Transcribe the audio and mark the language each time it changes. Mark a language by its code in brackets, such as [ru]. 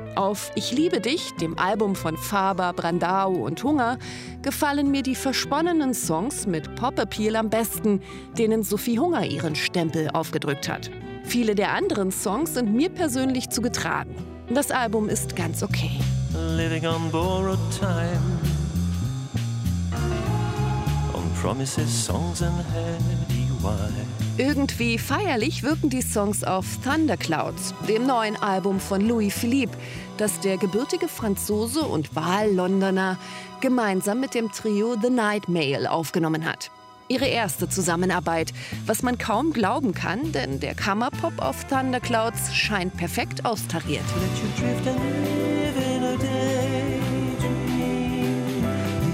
[de] Auf Ich liebe dich, dem Album von Faber, Brandao und Hunger, gefallen mir die versponnenen Songs mit Pop-Appeal am besten, denen Sophie Hunger ihren Stempel aufgedrückt hat. Viele der anderen Songs sind mir persönlich zu getragen. Das Album ist ganz okay. [en] Living on borrowed time, on promises, songs and heady wine. [de] Irgendwie feierlich wirken die Songs auf Thunderclouds, dem neuen Album von Louis Philippe, das der gebürtige Franzose und Wahl-Londoner gemeinsam mit dem Trio The Night Mail aufgenommen hat. Ihre erste Zusammenarbeit, was man kaum glauben kann, denn der Kammerpop auf Thunderclouds scheint perfekt austariert. [en] Let you drift and live in a daydream.